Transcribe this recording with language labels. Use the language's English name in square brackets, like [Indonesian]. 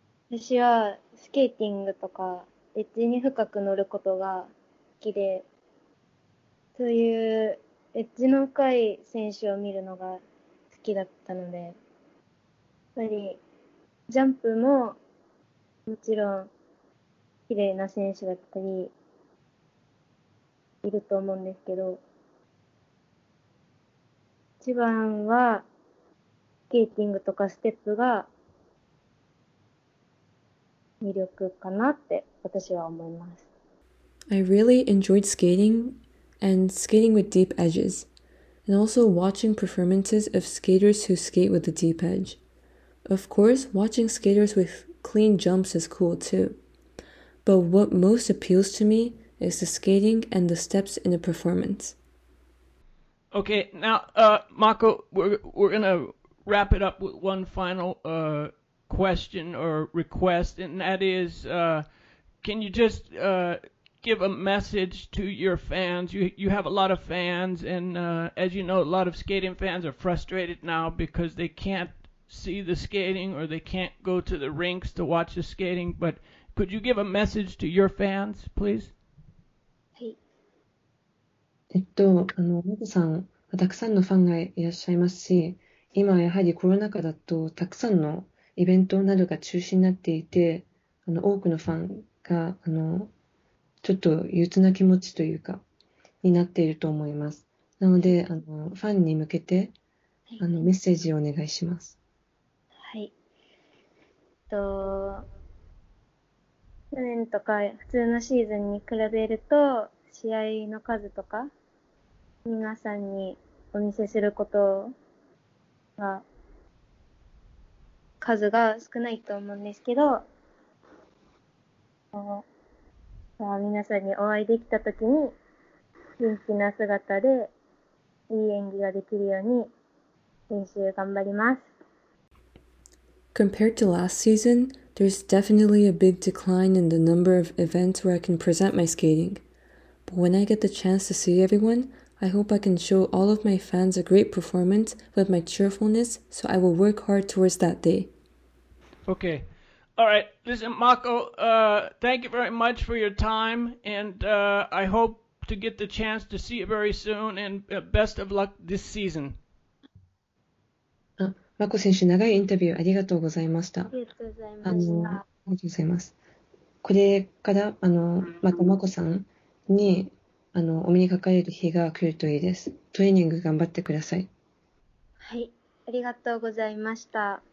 [Japanese] 私はスケーティングとかエッジに深く乗ることが好きで、そういうエッジの深い選手を見るのが好きだったので、やっぱりジャンプももちろん綺麗な選手だったりいると思うんですけど、一番はスケーティングとかステップが魅力かなって私は思います。 [English] I really enjoyed skating and skating with deep edges and also watching performances of skaters who skate with a deep edgeOf course, watching skaters with clean jumps is cool too. But what most appeals to me is the skating and the steps in the performance. Okay, now, Mako, we're gonna wrap it up with one final question or request, and that is, can you just give a message to your fans? You have a lot of fans, and as you know, a lot of skating fans are frustrated now because they can't see the skating or they can't go to the rinks to watch the skating. But could you give a message to your fans, please? [Japanese] マコさんはたくさんのファンがいらっしゃいますし、今はやはりコロナ禍だとたくさんのイベントなどが中止になっていて、多くのファンがちょっと憂鬱な気持ちというかになっていると思います。なのでファンに向けてメッセージをお願いします。はい、去年とか普通のシーズンに比べると試合の数とか皆さんにお見せすることが数が少ないと思うんですけど、皆さんにお会いできたときに元気な姿でいい演技ができるように練習頑張ります。 [English] Compared to last season, there's definitely a big decline in the number of events where I can present my skating. But when I get the chance to see everyone, I hope I can show all of my fans a great performance with my cheerfulness, so I will work hard towards that day. Okay. All right. Listen, Mako, thank you very much for your time, and I hope to get the chance to see you very soon, and best of luck this season. [Japanese] Mako 選手、長いインタビューありがとうございました。ありがとうございました。ありがとうございます。これから、また Mako さんにお目にかかれる日が来るといいです。トレーニング頑張ってください。はい、ありがとうございました。